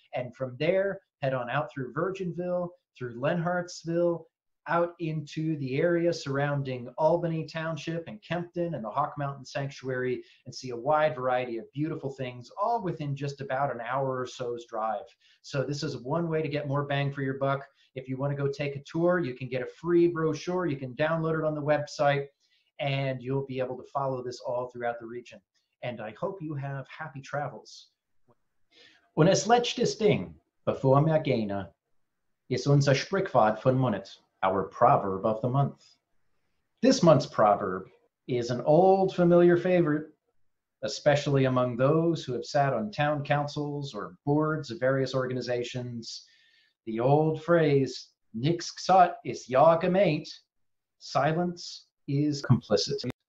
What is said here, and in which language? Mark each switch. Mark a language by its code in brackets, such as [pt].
[en] And from there, head on out through Virginville, through Lenhartsville, out into the area surrounding Albany Township and Kempton and the Hawk Mountain Sanctuary, and see a wide variety of beautiful things all within just about an hour or so's drive. So this is one way to get more bang for your buck. If you want to go take a tour, you can get a free brochure. You can download it on the website and you'll be able to follow this all throughout the region. And I hope you have happy travels. [pdc] Und es letztes Ding, bevor mir gehne, ist unser Sprichwort von Monat. [en] Our proverb of the month. This month's proverb is an old familiar favorite, especially among those who have sat on town councils or boards of various organizations. The old phrase, [pdc] nix gsat is ja gemeint, [en] silence is complicit.